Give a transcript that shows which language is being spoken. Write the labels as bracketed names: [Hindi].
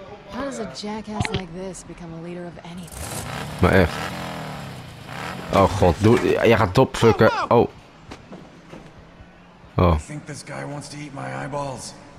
[English] How does a jackass like this become a leader of anything? [Dutch] Maar echt. Oh god, jij gaat topfucken. Oh. Oh. [English] I think this guy wants to eat my eyeballs.